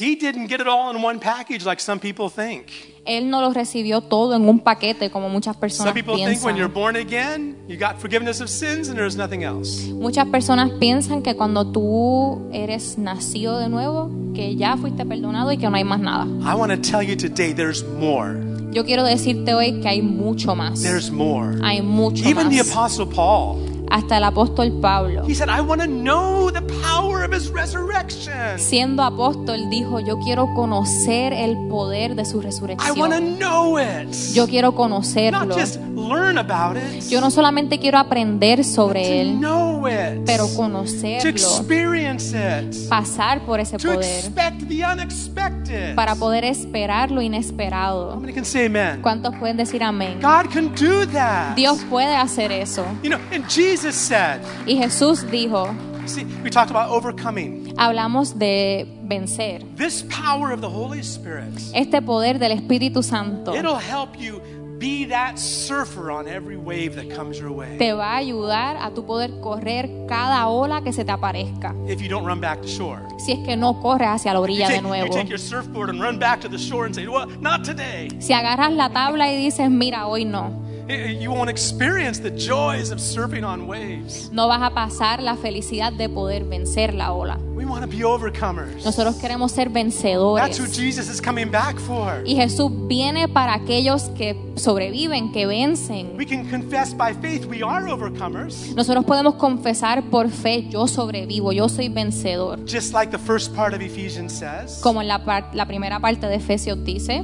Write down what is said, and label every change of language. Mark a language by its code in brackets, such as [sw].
[en] He didn't get it all in one package like some people think. [es] Él no lo recibió todo en un paquete como muchas personas piensan. [en] Some people think when you're born again, you got forgiveness of sins and there's nothing else. [es] Muchas personas piensan que cuando tú eres nacido de nuevo, que ya fuiste perdonado y que no hay más nada. [en] I want to tell you today there's more. [es] Yo quiero decirte hoy que hay mucho más. [en] There's more. [es] Hay mucho [en] even [es] más. [en] The apostle Paul. [es] Hasta el apóstol Pablo. [en] He said, I want to know the power of his resurrection. [es] Siendo apóstol, dijo, yo quiero conocer el poder de su resurrección. [en] I want to know it. [es] Yo quiero conocerlo. [en] Not just learn about it. [es] Yo no solamente quiero aprender sobre [en] to [es] él. [en] Know it. [es] Pero conocerlo. [en] To experience it. [es] Pasar por ese [en] to [es] poder. [en] Expect the unexpected. [es] Para poder esperar lo inesperado. [en] How many can say amen? [es] ¿Cuántos pueden decir amén? [en] God can do that. [es] Dios puede hacer eso. [en] You know, and Jesus said. [es] Y Jesús dijo. [en] See, we talked about overcoming. [es] Hablamos de vencer. [en] This power of the Holy Spirit. [es] Este poder del Espíritu Santo. [en] It'll help you be that surfer on every wave that comes your way. [es] Te va a ayudar a tu poder correr cada ola que se te aparezca. [en] If you don't run back to shore. [es] Si es que no corres hacia la orilla de nuevo. [en] You take your surfboard and run back to the shore and say, "Well, not today." [es] Si agarras la tabla y dices, "Mira, hoy no." [en] You won't experience the joys of surfing on waves. [es] No vas a pasar la felicidad de poder vencer la ola. [en] We want to be overcomers. [es] Nosotros queremos ser vencedores. [en] That's who Jesus is coming back for. [es] Y Jesús viene para aquellos que sobreviven, que vencen. [en] We can confess by faith we are overcomers. [es] Nosotros podemos confesar por fe, yo sobrevivo, yo soy vencedor. [en] Just like the first part of Ephesians says. [es] Como en la primera parte de Efesios dice.